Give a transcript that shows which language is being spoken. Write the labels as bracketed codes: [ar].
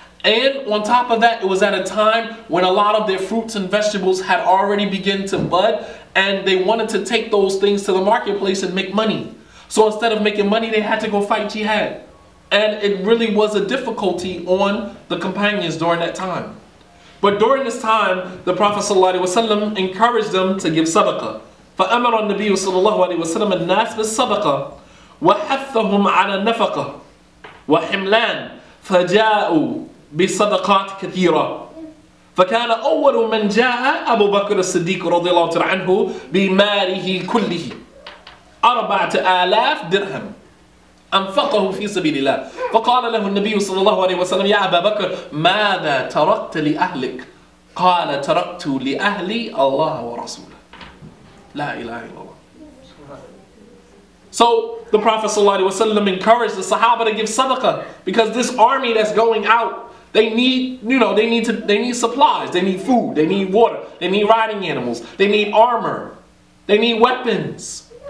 [en] And on top of that, it was at a time when a lot of their fruits and vegetables had already begun to bud, and they wanted to take those things to the marketplace and make money. So instead of making money, they had to go fight jihad. And it really was a difficulty on the companions during that time. But during this time, the Prophet sallallahu alaihi wasallam encouraged them to give sadaqah. [ar] فَأَمَرَ النَّبِيُّ sallallahu alaihi wasallam النَّاسَ بِالصَّدَقَةِ وَحَثَّهُمْ عَلَى النَّفَقَةِ وَحِمْلَانِ فَجَاءُوا بِصَدَقَاتِ كَثِيرَةٍ فَكَانَ أَوَّلُ مَنْ جَاءَ أَبُو بَكْرَ الصِّدِّيقُ رَضِيَ اللَّهُ تَعَالَى عَنْهُ بِمَالِهِ كُلِّهِ 4,000 درهم أنفقه في سبيل الله. فقال له النبي صلى الله عليه وسلم يا أبا بكر ماذا تركت لأهلك؟ قال تركت لأهلي الله ورسوله. لا إله إلا الله. [en] So the Prophet صلى الله عليه وسلم encouraged the Sahaba to give sadaqah, because this army that's going out, they need supplies, they need food, they need water, they need riding animals, they need armor, they need weapons.